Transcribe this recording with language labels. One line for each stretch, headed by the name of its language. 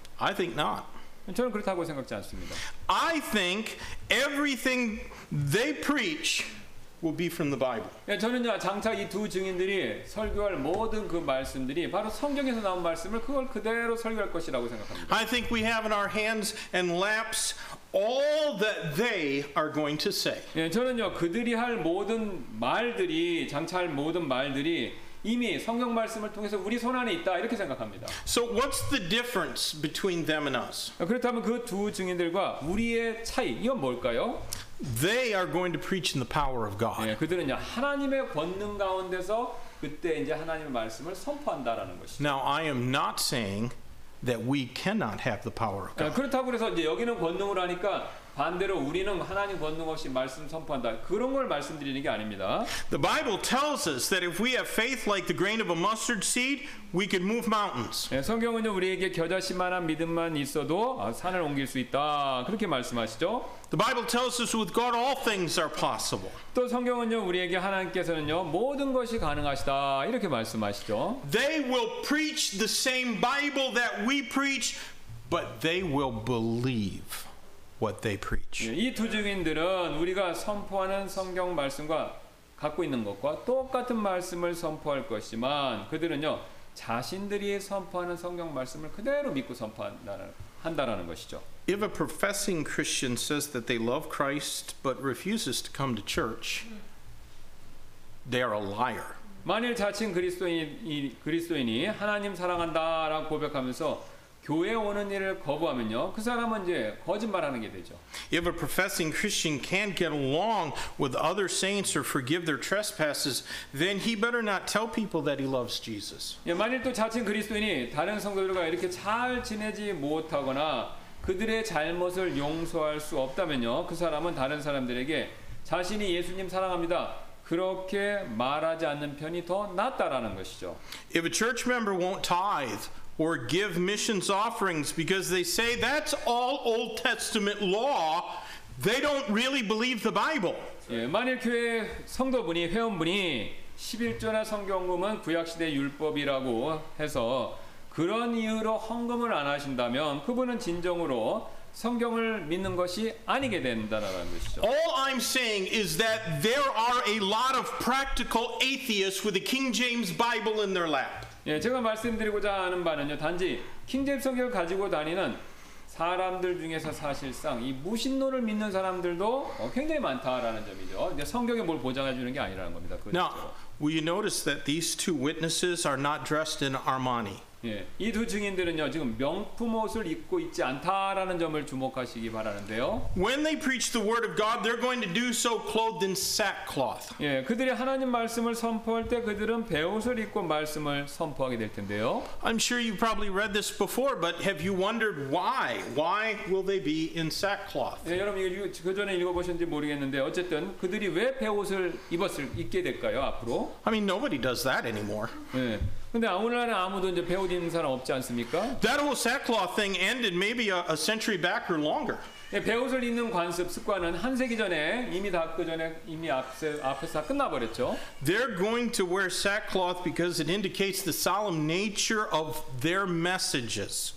English: I think not.
Korean: 저는 그렇다고 생각지 않습니다.
English: I think everything they preach will be from the Bible.
Korean: 야, 저는요, 장차 이 두 증인들이 설교할 모든 그 말씀들이 바로 성경에서 나온 말씀을 그걸 그대로 설교할 것이라고 생각합니다.
English: I think we have in our hands and laps all that they are going to say.
Korean: 예, 저는요, 그들이 할 모든 말들이, 장차 할 모든 말들이 이미 성경 말씀을 통해서 우리 손 안에 있다, 이렇게 생각합니다.
English: So what's the difference between them and us?
Korean: 그렇다면 그 두 증인들과 우리의 차이, 이건 뭘까요?
English: They are going to preach in the power of God.
Korean: 예, 그들은요, 하나님의 권능 가운데서 그때 이제 하나님의 말씀을 선포한다라는 것이죠.
English: Now I am not saying that we cannot have the power of God.
Korean: 그렇다고 해서 이제 여기는 권능을 하니까 반대로 우리는 하나님 권능 없이 말씀 선포한다. 그런 걸 말씀드리는 게 아닙니다.
English: The Bible tells us that if we have faith like the grain of a mustard seed, we can move mountains.
Korean: 예, 성경은요, 우리에게 겨자씨만한 믿음만 있어도 산을 옮길 수 있다. 그렇게 말씀하시죠.
English: The Bible tells us with God all things are possible.
Korean: 또 성경은요, 우리에게 하나님께서는요, 모든 것이 가능하시다. 이렇게 말씀하시죠.
English: They will preach the same Bible that we preach, but they will believe what they preach.
Korean: 이 두 증인들은 우리가 선포하는 성경 말씀과 갖고 있는 것과 똑같은 말씀을 선포할 것이지만 그들은요, 자신들이 선포하는 성경 말씀을 그대로 믿고 한다라는 것이죠.
English: If a professing Christian says that they love Christ but refuses to come to church, they are a liar.
Korean: 만일 자칭 그리스도인이 하나님 사랑한다라고 고백하면서 교회 오는 일을 거부하면요, 그 사람은 이제 거짓말하는 게 되죠.
English: If a professing Christian can't get along with other saints or forgive their trespasses, then he better not tell people that he loves Jesus.
Korean: 예, 만일 또 자칭 그리스도인이 다른 성도들과 이렇게 잘 지내지 못하거나 그들의 잘못을 용서할 수 없다면요, 그 사람은 다른 사람들에게 자신이 예수님 사랑합니다, 그렇게 말하지 않는 편이 더 낫다라는 것이죠.
English: If a church member won't tithe or give missions offerings because they say that's all Old Testament law, they don't really believe the Bible.
Korean: 예, 만일 교회 성도분이, 회원분이 십일조나 성경금은 구약시대 율법이라고 해서 그런 이유로 헌금을 안 하신다면 그분은 진정으로 성경을 믿는 것이 아니게 된다라는 것이죠.
English: All I'm saying is that there are a lot of practical atheists with a King James Bible in their lap.
Korean: 예, 제가 말씀드리고자 하는 바는요, 단지 킹제임스 성경을 가지고 다니는 사람들 중에서 사실상 이 무신론을 믿는 사람들도 굉장히 많다라는 점이죠. 이제 성경에 뭘 보장해 주는 게 아니라는 겁니다. 그렇죠.
English: Now, will you notice that these two witnesses are not dressed in Armani?
Korean: 예, 이 두 증인들은요, 지금 명품 옷을 입고 있지 않다라는 점을 주목하시기 바라는데요.
English: When they preach the word of God, they're going to do so clothed in sackcloth.
Korean: 예, 그들이 하나님 말씀을 선포할 때 그들은 베옷을 입고 말씀을 선포하게 될 텐데요.
English: I'm sure you probably read this before, but have you wondered why? Why will they be in sackcloth?
Korean: 예, 여러분 그 전에 읽어보셨는지 모르겠는데 어쨌든 그들이 왜 베옷을 입게 될까요, 앞으로?
English: I mean, nobody does that anymore.
Korean: 예. 근데 오늘날에 아무도 이제 배옷 입는 사람 없지 않습니까?
English: That whole sackcloth thing ended maybe a century back or longer.
Korean: 예, 배옷을 입는 관습, 습관은 한 세기 전에 이미 다 그 전에 이미 앞에서 끝나버렸죠.
English: They're going to wear sackcloth because it indicates the solemn nature of their messages.